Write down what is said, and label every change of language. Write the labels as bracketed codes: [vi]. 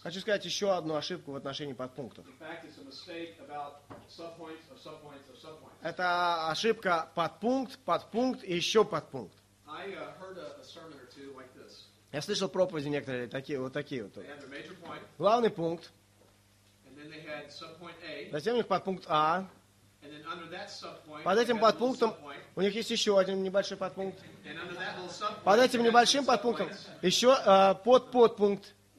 [ru] Хочу сказать еще одну ошибку в отношении подпунктов. [en] In fact, it's a mistake about subpoints of subpoints of subpoints. [ru] Это ошибка подпункт, подпункт и еще подпункт. [en] I heard a sermon or two like this. [ru] Я слышал проповеди некоторые такие, вот такие вот. [en] They had their major point. [ru] Главный пункт. [en] And then they had subpoint A. [ru] Затем у них подпункт А. [en] And then under that subpoint, [ru] под этим подпунктом у них есть еще один небольшой подпункт. [en] And under that little subpoint, [ru] под этим небольшим подпунктом еще подпункт.